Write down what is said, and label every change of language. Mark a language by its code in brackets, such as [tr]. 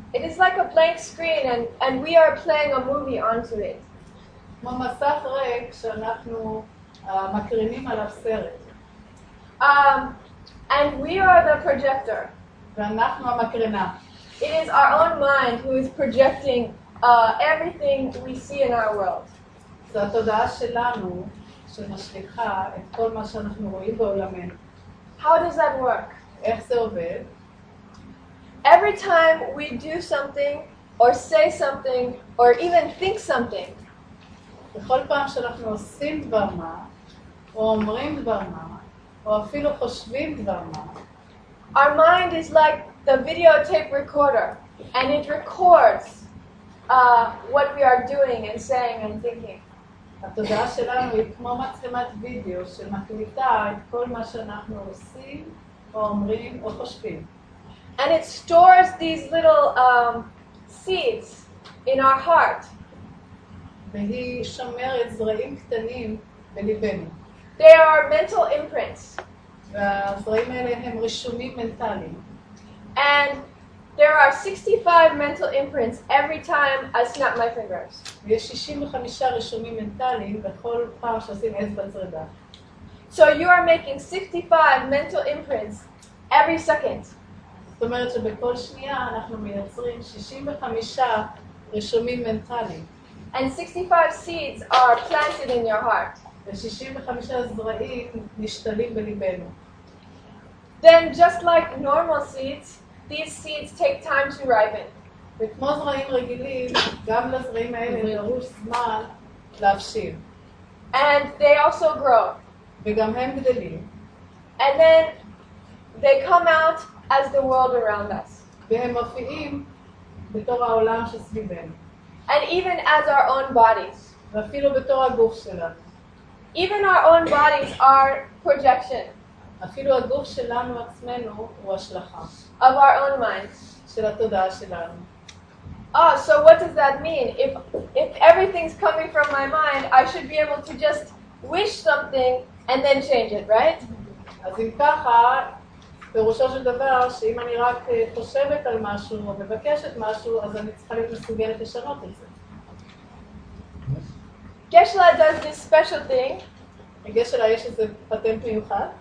[en] It is like a blank screen and we are playing a movie onto it. [he] כמו מסך ריק שאנחנו מקרינים עליו סרט. [en] And we are the projector. [he] ואנחנו המקרינה. [en] It is our own mind who is projecting everything we see in our world. [he] זו התודעה שלנו שמשליחה את כל מה שאנחנו רואים בעולמנו. [en] How does that work? [he] איך זה עובד? [en] Every time we do something or say something or even think something, [he] בכל פעם שאנחנו עושים דבר מה או אומרים דבר מה או אפילו חושבים דבר מה, [en] our mind is like the videotape recorder and it records what we are doing and saying and thinking. [he] התודעה שלנו היא כמו מצלמת וידאו שמקליטה את כל מה שאנחנו עושים או אומרים או חושבים. [en] And it stores these little seeds in our heart. [he] והיא שומרת זרעים קטנים בליבנו. [en] They are mental imprints. [he] והזרעים האלה הם רישומים מנטליים. [en] And there are 65 mental imprints every time I snap my fingers. [he] יש 65 רישומים מנטליים בכל פעם שעושים אצבע צרידה. [en] So you are making 65 mental imprints every second. [he] זאת אומרת שבכל שנייה אנחנו מייצרים 65 רישומים מנטליים. [en] And 65 seeds are planted in your heart. [he] ו-65 זרעים נשתלים בליבנו. [en] Then just like normal seeds, these seeds take time to ripen. [he] וכמו זרעים רגילים, גם לזרעים האלה דרוש זמן להבשיל. [en] And they also grow. [he] וגם הם גדלים. [en] And then they come out as the world around us. [he] והם מופיעים בתור העולם שסביבנו. [en] And even as our own bodies. [he] ואפילו בתור הגוף שלנו. [en] Even our own bodies are projection. [he] אפילו הגוף שלנו עצמנו הוא השלכה. [en] Of our own minds. [he] של התודעה שלנו. [en] Ah, so what does that mean? If everything's coming from my mind, I should be able to just wish something and then change it, right? [he] אז אם ככה, פירושו של דבר שאם אני רק חושבת על משהו או מבקשת משהו, אז אני צריכה להיות מסוגלת לשנות את זה. [en] Geshe-la does this special thing. [he] Geshe-la, יש איזה פטנט מיוחד?